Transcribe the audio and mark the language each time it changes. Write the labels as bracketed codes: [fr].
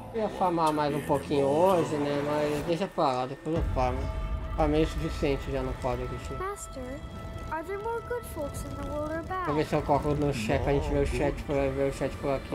[pt] Eu ia farmar mais um pouquinho hoje, né? Mas deixa pra lá, depois eu farmo. Farmei o suficiente já no quadro aqui. [en] Master, are there more good folks in the world or bad? [pt] Vou ver se eu coloco no chat pra gente ver o chat por aqui.